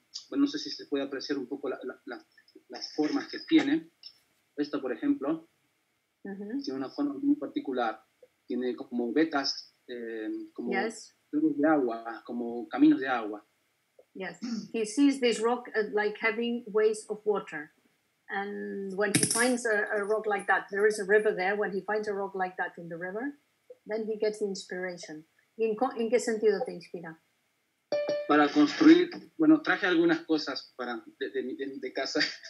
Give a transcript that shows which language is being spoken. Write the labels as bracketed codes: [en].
[es] Bueno, no sé si se puede apreciar un poco las formas que tiene. Esta, por ejemplo, tiene una forma muy particular. Tiene como vetas, como túneles de agua, como caminos de agua. [en] Yes, he sees this rock like having ways of water. And when he finds a rock like that, there is a river there, when he finds a rock like that in the river, then he gets inspiration. [es] ¿En qué sentido te inspira? Para construir, bueno, traje algunas cosas para de casa.